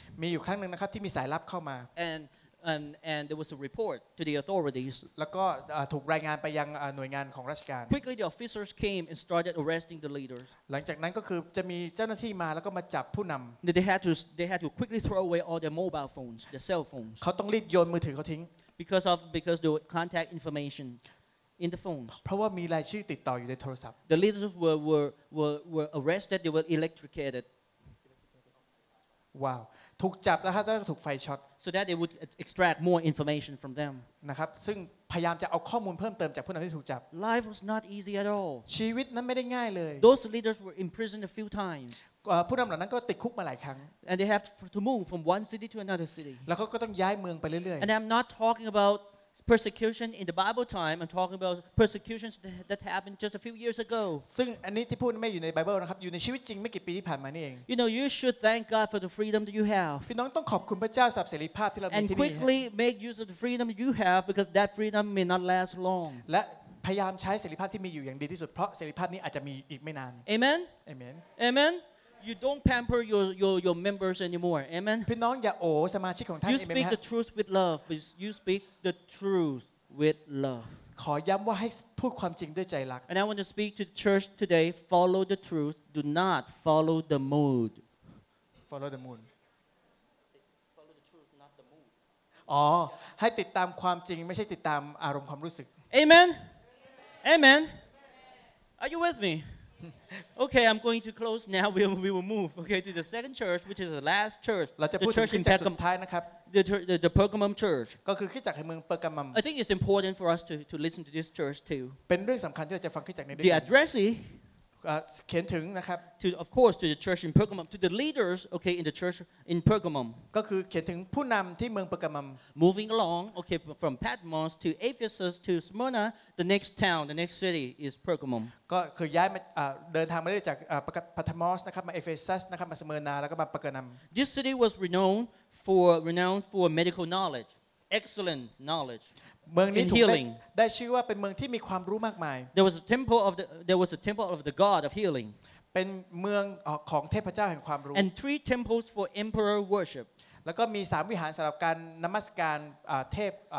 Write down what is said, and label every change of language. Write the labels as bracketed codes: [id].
[th] มีอยู่ครั้งนึงนะครับที่มีสายลับเข้ามา [en] And there was a report to the authorities. [th] แล้วก็ถูกรายงานไปยังหน่วยงานของราชการ [en] Quickly, the officers came and started arresting the leaders. [th] หลังจากนั้นก็คือจะมีเจ้าหน้าที่มาแล้วก็มาจับผู้นำ [en] They had to quickly throw away all their mobile phones, their cell phones. [th] เขาต้องรีบโยนมือถือเขาทิ้ง [en] Because the contact information. In the phones. [th] เพราะว่ามีรายชื่อติดต่ออยู่ในโทรศัพท์ [en] The leaders were arrested. They were electrocuted. Wow. [th] ถูกจับแล้วครับแล้วก็ถูกไฟช็อต [en] So that they would extract more information from them. [th] นะครับซึ่งพยายามจะเอาข้อมูลเพิ่มเติมจากผู้นำที่ถูกจับ [en] Life was not easy at all. [th] ชีวิตนั้นไม่ได้ง่ายเลย [en] Those leaders were imprisoned a few times. [th] ผู้นำเหล่านั้นก็ติดคุกมาหลายครั้ง [en] And they have to move from one city to another city. [th] แล้วก็ต้องย้ายเมืองไปเรื่อย [en] ๆ And I'm not talking aboutpersecution in the bible time I'm talking about persecutions that happened just a few years ago [th] ซึ่งอันนี้ที่พูดไม่อยู่ในไบเบิลนะครับอยู่ในชีวิตจริงไม่กี่ปีที่ผ่านมานี่เอง [en] You know you should thank god for the freedom that you have [th] พี่น้องต้องขอบคุณพระเจ้าสําหรับเสรีภาพที่เรามีที่นี่ [en] And quickly make use of the freedom you have because that freedom may not last long [th] และพยายามใช้เสรีภาพที่มีอยู่อย่างดีที่สุดเพราะเสรีภาพนี้อาจจะมีอีกไม่นาน [en] Amen Amen AmenYou don't pamper your members anymore. Amen. [th] พี่น้องอย่าโอ้สมาชิกของท่าน เองนะ [en] You speak the truth with love. You speak the truth with love. [th] ขอย้ําว่าให้พูดความจริงด้วยใจรัก [en] And I want to speak to the church today. Follow the truth. Do not follow the mood. Follow the mood. Follow the truth, not the mood. [th] อ๋อให้ติดตามความจริงไม่ใช่ติดตามอารมณ์ความรู้สึก [en] Amen. Amen. Are you with me? Okay, I'm going to close now. We will move okay to the second church, which is the last church. The church in Pergamum. The Pergamum church. [th] ก็คือคริสตจักรแห่งเมืองเปอร์กามัม [en] I think it's important for us to listen to this church too. [th] เป็นเรื่องสำคัญที่เราจะฟังคริสตจักรในด้วย [en] The address [th] เขียนถึงนะครับ [en] To of course to the church in Pergamum, to the leaders okay in the church in Pergamum. [th] ก็คือเขียนถึงผู้นำที่เมืองเปอร์กามัม [en] Moving along okay from Patmos to Ephesus to Smyrna, the next town, the next city is Pergamum. [th] ก็คือย้ายมาเดินทางมาได้จากปาทมอสนะครับมาเอเฟซัสนะครับมาสเมอร์นาแล้วก็มาปะเกอร์นัม [en] This city was renowned for medical knowledge excellent knowledge [th] เมืองนี้ถูกได้ชื่อว่าเป็นเมืองที่มีความรู้มากมาย [en] There was a temple of the god of healing [th] เป็นเมืองของเทพเจ้าแห่งความรู้ [en] and three temples for emperor worship [th] แล้วก็มี3วิหารสําหรับการนมัสการเทพ